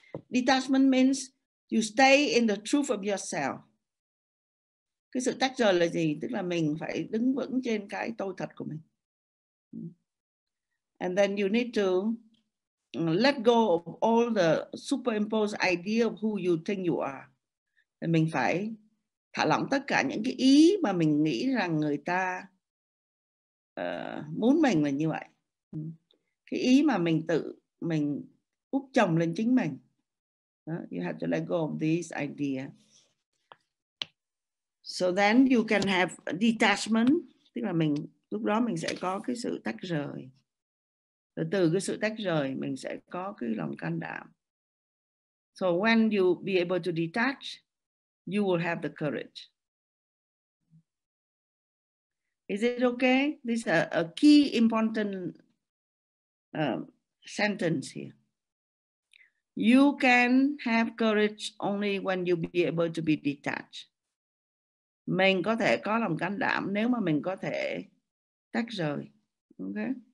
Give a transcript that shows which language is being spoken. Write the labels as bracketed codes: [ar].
[en] Detachment means you stay in the truth of yourself. [vi] Cái sự tách rời là gì? Tức là mình phải đứng vững trên cái tôi thật của mình. And then you need to let go of all the superimposed idea of who you think you are. Thì mình phải thả lỏng tất cả những cái ý mà mình nghĩ rằng người ta muốn mình là như vậy. Cái ý mà mình tự mình úp chồng lên chính mình. [en] You have to let go of this idea. So then you can have detachment, [vi] tức là mình lúc đó mình sẽ có cái sự tách rời. Rồi từ cái sự tách rời mình sẽ có cái lòng can đảm. [en] So when you be able to detach, you will have the courage. Is it okay? This is a key important sentence here. You can have courage only when you be able to be detached. [vi] Mình có thể có lòng can đảm nếu mà mình có thể tách rời. Okay?